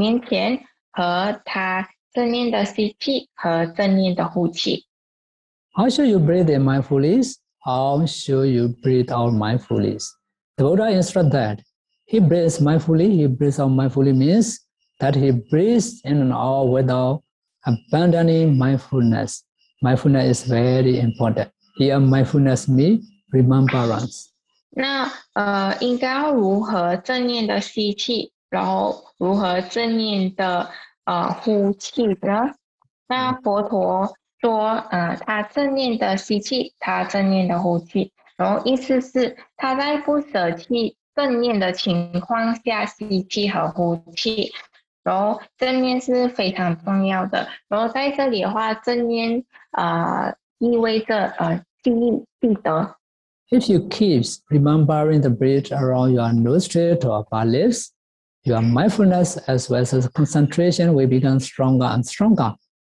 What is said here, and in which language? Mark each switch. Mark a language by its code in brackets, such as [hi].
[zh] 这边呢，佛陀有推荐了几个禅修的最佳姿势。那第一个就是他盘腿而坐，然后让身体保持正直，然后他安住于这个安立正念在自己的面前，和他。 [en] How should you breathe in mindfully? How should you breathe out mindfully? The Buddha instructs that he breathes mindfully, he breathes out mindfully means that he breathes in and out without abandoning mindfulness. Mindfulness is very important. Here, mindfulness means remembrance. [zh] 那应该如何正念的吸气，然后如何正念的 呼气的，那佛陀说，他正念的吸气，他正念的呼气，然后意思是他在不舍弃正念的情况下吸气和呼气，然后正念是非常重要的，然后在这里的话，正念意味着记忆记得。 [en] If you keep remembering the breath around your nostrils or upper lips, your mindfulness as well as concentration will become stronger and stronger.